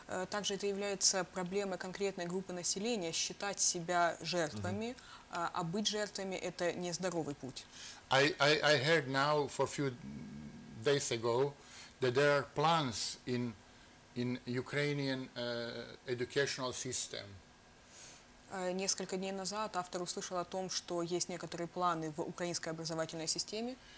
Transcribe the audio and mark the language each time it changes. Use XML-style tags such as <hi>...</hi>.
<ru>Также это является проблемой конкретной группы населения считать себя жертвами, mm-hmm. а быть жертвами – это нездоровый путь.</ru> <en>I heard now for a few days ago that there are plans in Ukrainian educational system.</en> <ru>Несколько дней назад автор услышал о том, что есть некоторые планы в украинской образовательной системе.</ru>